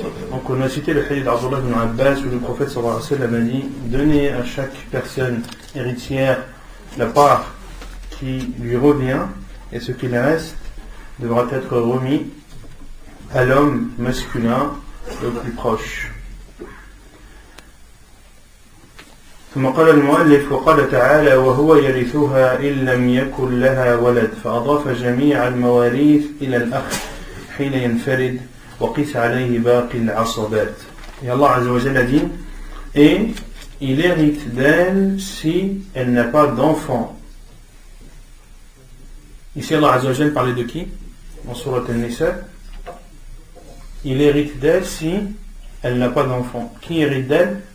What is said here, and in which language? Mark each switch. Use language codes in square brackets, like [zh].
[fr] Donc on a cité le hadith d'Abdullah ibn Abbas où le prophète sallallahu alayhi wa sallam a dit donnez à chaque personne héritière la part qui lui revient et ce qu'il reste devra être remis à l'homme masculin le plus proche. [ar] ثم قال المؤلف وقال تعالى وهو يرثها إن لم يكن لها ولد فأضاف جميع المواريث إلى الأخ حين ينفرد وقيس عليه باقي العصبات. [fr] Et Allah Azza wa Jalla dit, et il hérite d'elle si elle n'a pas d'enfant. Ici Allah Azza wa Jalla parlait de qui? En sourate An-Nisa. Il hérite d'elle si elle n'a pas d'enfant. Qui hérite d'elle?